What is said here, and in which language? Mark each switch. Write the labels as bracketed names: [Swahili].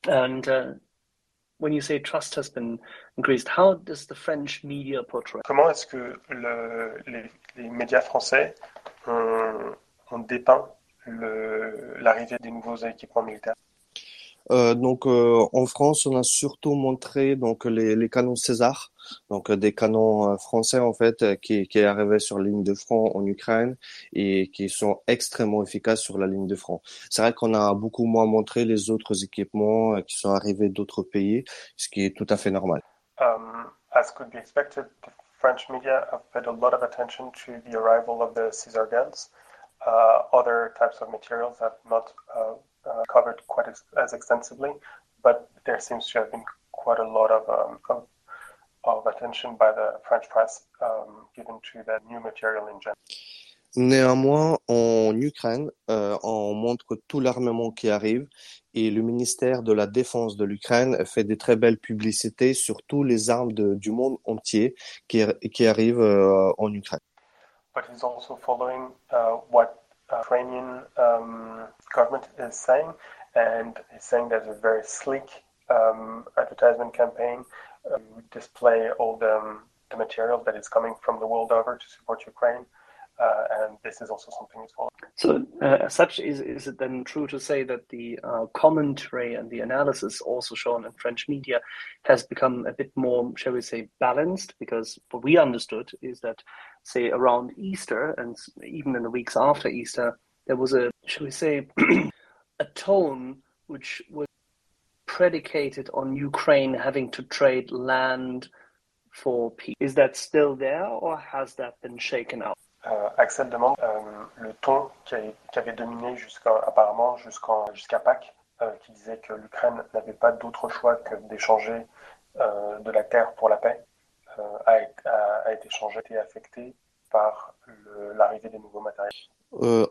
[English] And when you say trust has been increased, how does the French media portray? [French] Comment est-ce que les médias français ont dépeint l'arrivée des nouveaux équipements militaires? En France, on a surtout montré donc les canons César, donc des canons français en fait qui arrivaient sur la ligne de front en Ukraine et qui sont extrêmement efficaces sur la ligne de front. C'est vrai qu'on a beaucoup moins montré les autres équipements qui sont arrivés d'autres pays, ce qui est tout à fait normal. [English] As could be expected, the French media have paid a lot of attention to the arrival of the César guns. Other types of materials have not covered quite as extensively, but there seems to have been quite a lot of attention by the French press given to that new material in general. [French] Néanmoins, en Ukraine, on montre tout l'armement qui arrive et le ministère de la Défense de l'Ukraine fait de très belles publicités sur toutes les armes du monde entier qui arrivent en Ukraine. [English] But he's also following what Ukrainian government is saying, and he's saying there's a very sleek advertisement campaign display all the material that is coming from the world over to support Ukraine, and this is also something he's following. So is it then true to say that the commentary and the analysis also shown in French media has become a bit more, shall we say, balanced? Because what we understood is that, say, around Easter, and even in the weeks after Easter, there was a, shall we say, a tone which was predicated on Ukraine having to trade land for peace. Is that still there, or has that been shaken up? [French] Axel demande le ton qui avait dominé jusqu'à Pâques, qui disait que l'Ukraine n'avait pas d'autre choix que d'échanger de la terre pour la paix, a été changé, a été affecté par l'arrivée des nouveaux matériels.